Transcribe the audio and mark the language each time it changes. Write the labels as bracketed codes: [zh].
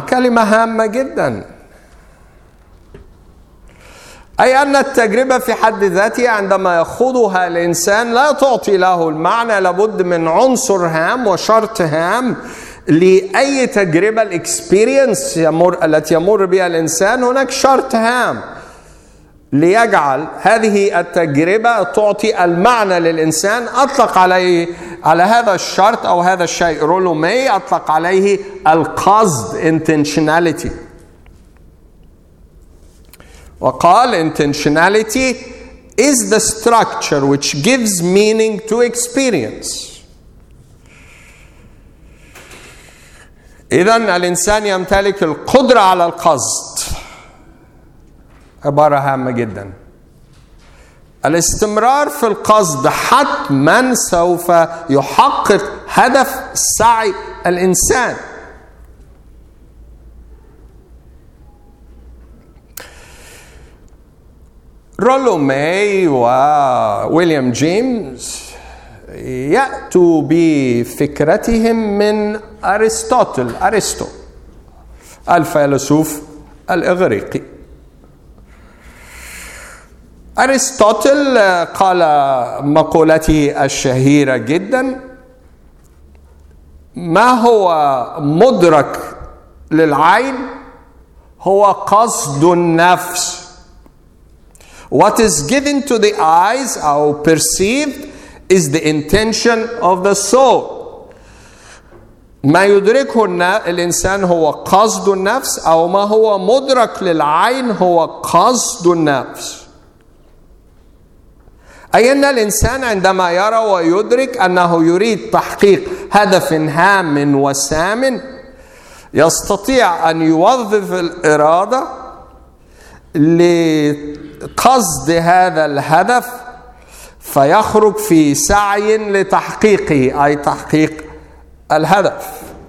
[ar] كلمة هامة جدا، أي أن التجربة في حد ذاتها عندما يخوضها الإنسان لا تعطي له المعنى، لابد من عنصر هام وشرط هام لأي تجربة، الإكسبيرينس التي يمر بها الإنسان، هناك شرط هام ليجعل هذه التجربة تعطي المعنى للإنسان. أطلق عليه على هذا الشرط أو هذا الشيء رولو مي، أطلق عليه القصد، intentionality. وقال [en] intentionality is the structure which gives meaning to experience. [ar] إذن الإنسان يمتلك القدرة على القصد، عبارة هامة جدا. الاستمرار في القصد حتما سوف يحقق هدف سعي الإنسان. رولو مي وويليام جيمس يأتوا بفكرتهم من أرسطوتل، أرسطو الفيلسوف الإغريقي. أرسطوتل قال مقولته الشهيرة جدا، ما هو مدرك للعين هو قصد النفس. [en] What is given to the eyes or perceived is the intention of the soul. [ar] ما يدركه الإنسان هو قصد النفس، أو ما هو مدرك للعين هو قصد النفس. أي أن الإنسان عندما يرى ويدرك أنه يريد تحقيق هدف هام وسام، يستطيع أن يوظف الإرادة لقصد هذا الهدف، فيخرج في سعي لتحقيقه، أي تحقيق الهدف.